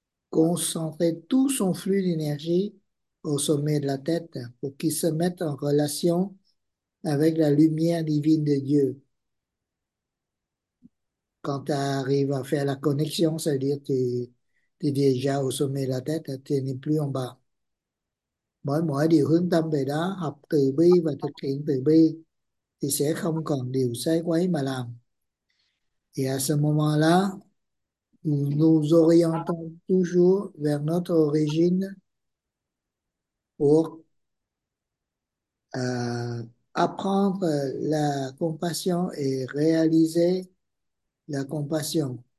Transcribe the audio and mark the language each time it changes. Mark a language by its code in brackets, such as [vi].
[fr] Concentrer tout son flux d'énergie au sommet de la tête pour qu'il se mette en relation avec la lumière divine de Dieu. Quand tu arrives à faire la connexion, c'est-à-dire tu es déjà au sommet de la tête, tu n'es plus en bas. [vi] Mỗi mỗi điều hướng tâm về đó, học từ bi và thực hiện từ bi, thì sẽ không còn điều sai quấy mà làm. [fr] Et à ce moment-là, nous orientons toujours vers notre origine pour apprendre la compassion et réaliser la compassion.